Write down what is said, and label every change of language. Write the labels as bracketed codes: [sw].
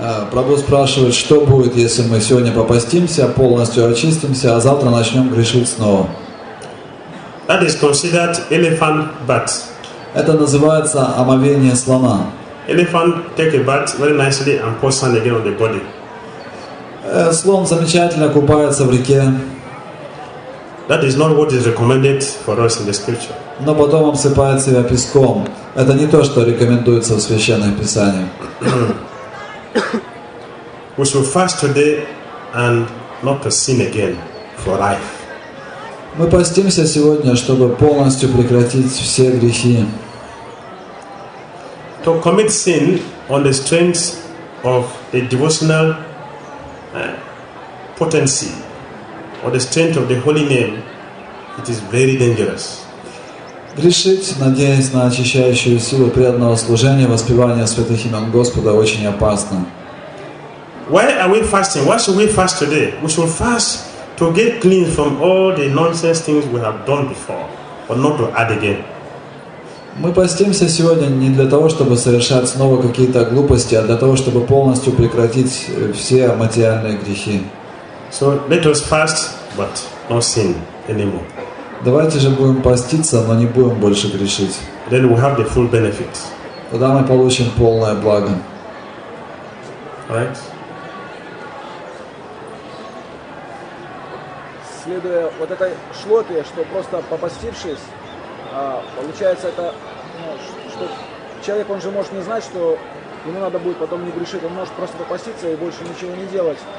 [ru] Прабху спрашивает, что будет, если мы сегодня попастимся, полностью очистимся, а завтра начнем грешить снова. [en] That is considered elephant bath. [ru] Это называется омовение слона. [en] Elephant take a bath very nicely and pour sand again on the body. [ru] Слон замечательно купается в реке. [en] That is not what is recommended for us in the scripture. [ru] Но потом обсыпает себя песком. Это не то, что рекомендуется в Священных Писаниях. [en] We should fast today and not to sin again for life. [ru] Мы постимся сегодня, чтобы полностью прекратить все грехи. [en] To commit sin on the strength of a devotional potency or the strength of the holy name, it is very dangerous. [ru] Грешить, надеясь на очищающую силу преданного служения, воспевания святых имен Господа, очень опасно. [en] Why are we fasting? Why should we fast today? We should fast to get clean from all the nonsense things we have done before, but not to add again. [ru] Мы постимся сегодня не для того, чтобы совершать снова какие-то глупости, а для того, чтобы полностью прекратить все материальные грехи. [en] So let us fast, but not sin anymore. [ru] Давайте же будем поститься, но не будем больше грешить. [en] Then we have the full benefit. [ru] Тогда мы получим полное благо. [en] Right? [ru] Следуя вот этой шлоке, что просто попастившись, получается это, что человек, он же может не знать, что ему надо будет потом не грешить, он может просто попаститься и больше ничего не делать.